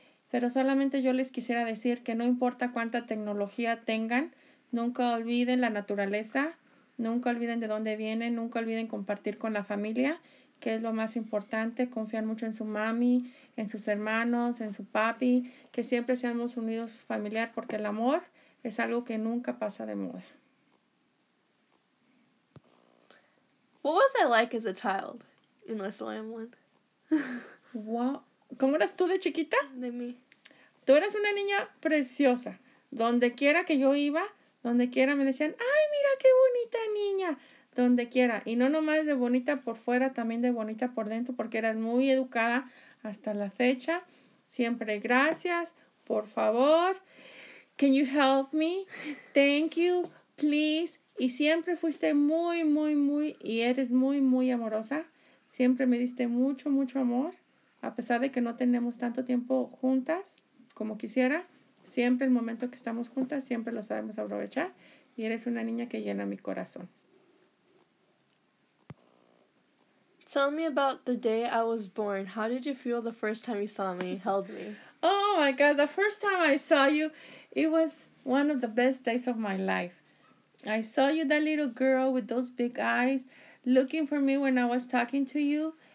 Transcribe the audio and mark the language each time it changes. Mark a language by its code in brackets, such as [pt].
[es] Pero solamente yo les quisiera decir que no importa cuánta tecnología tengan, nunca olviden la naturaleza, nunca olviden de dónde vienen, nunca olviden compartir con la familia, que es lo más importante, confiar mucho en su mami, en sus hermanos, en su papi, que siempre seamos unidos familiar, porque el amor es algo que nunca pasa de moda. [en] What was I like as a child in the slam one? [es] Wow. ¿Cómo eras tú de chiquita? De mí. Tú eras una niña preciosa. Donde quiera que yo iba, donde quiera me decían, ¡ay, mira qué bonita niña! Donde quiera. Y no nomás de bonita por fuera, también de bonita por dentro, porque eras muy educada hasta la fecha. Siempre gracias, por favor. [en] Can you help me? Thank you, please. [es] Y siempre fuiste muy, muy, muy, y eres muy, muy amorosa. Siempre me diste mucho, mucho amor. A pesar de que no tenemos tanto tiempo juntas como quisiera, siempre el momento que estamos juntas, siempre lo sabemos aprovechar. Y eres una niña que llena mi corazón. [en] Tell me about the day I was born. How did you feel the first time you saw me, held me? Oh my God, the first time I saw you, it was one of the best days of my life. I saw you, that little girl with those big eyes, looking for me when I was talking to you.